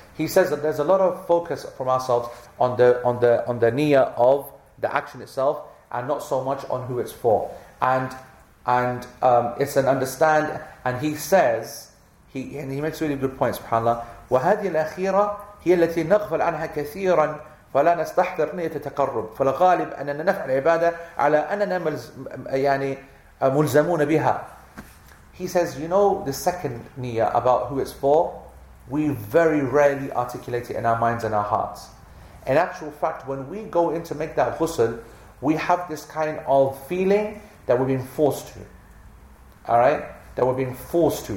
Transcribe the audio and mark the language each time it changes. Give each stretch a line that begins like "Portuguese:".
English: He says that there's a lot of focus from ourselves on the niyyah of the action itself, and not so much on who it's for. And it's an understand. And he says he makes really good points.
Arabic: Subhanallah. وهذه الأخيرة هي التي نغفل عنها كثيرا فلا نستحضر نية تقرب فالغالب أننا نفعل العبادة على أننا يعني ملزمون بها.
English: He says, you know, the second niyyah about who it's for, we very rarely articulate it in our minds and our hearts. In actual fact, when we go in to make that ghusl, we have this kind of feeling that we're being forced to. Alright? That we're being forced to.